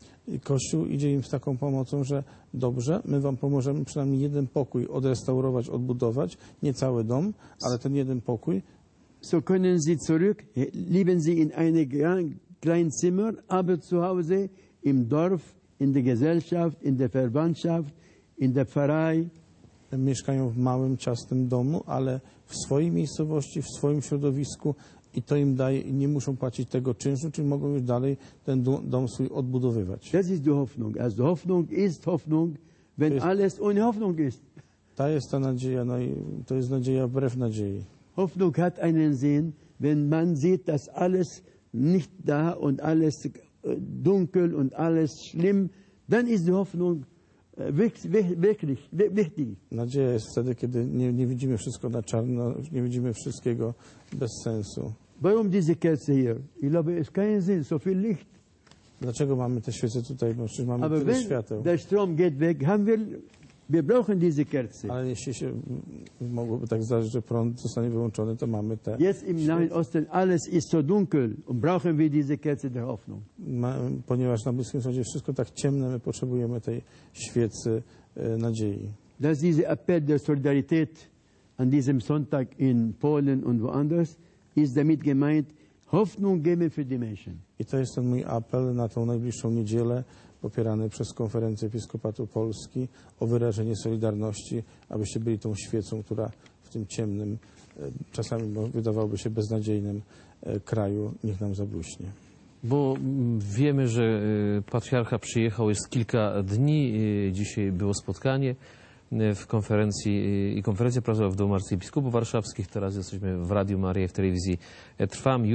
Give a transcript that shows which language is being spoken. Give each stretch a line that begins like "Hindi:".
Polish: I Kościół idzie im z taką pomocą, że dobrze, my wam pomożemy przynajmniej jeden pokój odrestaurować, odbudować, nie cały dom, ale ten jeden pokój.
German: So können sie zurück, leben sie in einem kleinen Zimmer, aber zu Hause im Dorf. In der Gesellschaft, in der Verwandtschaft, in der Pfarrei.
Polish: mieszkają w małym, ciasnym domu, ale w swojej miejscowości, w swoim środowisku i to im daje i nie muszą płacić tego czynszu, czyli mogą już dalej ten dom swój odbudowywać.
German: Das ist die Hoffnung. Also Hoffnung ist Hoffnung, wenn alles ohne Hoffnung ist.
Polish: Ta jest ta nadzieja, no i to jest nadzieja wbrew nadziei.
German: Hoffnung hat einen Sinn, wenn man sieht, dass alles nicht da und alles dunkel und alles schlimm, dann ist die Hoffnung wirklich.
Polish: Nadzieja jest wtedy, kiedy nie widzimy wszystko na czarno, nie widzimy wszystkiego bez sensu.
German: Warum diese Kerze hier? Ich glaube, es keinen Sinn, so viel Licht.
Polish: Dlaczego mamy te świece tutaj? Bo przecież mamy
German: aber
Polish: tyle świateł.
German: Der Strom geht weg, wir brauchen diese Kerze.
Polish: Ale jeśli się mogłoby tak zdarzyć, że prąd zostanie wyłączony, to mamy te.
German: Jetzt im Nahen Osten alles ist so dunkel und brauchen wir diese Kerze der Hoffnung.
Polish: Ponieważ na Bliskim Wschodzie wszystko tak ciemne, my potrzebujemy tej świecy nadziei.
German: Das ist der Appell der Solidarität an diesem Sonntag in Polen und woanders, ist damit gemeint, Hoffnung geben für die Menschen.
Polish: I to jest ten mój apel na tą najbliższą niedzielę, popierany przez Konferencję Episkopatu Polski, o wyrażenie solidarności, abyście byli tą świecą, która w tym ciemnym, czasami wydawałoby się beznadziejnym kraju, niech nam zabłyśnie. Bo wiemy, że patriarcha przyjechał, jest kilka dni, dzisiaj było spotkanie w konferencji i konferencja prasowa w Domu Arcybiskupów Warszawskich, teraz jesteśmy w Radiu Maria, w telewizji Trwam.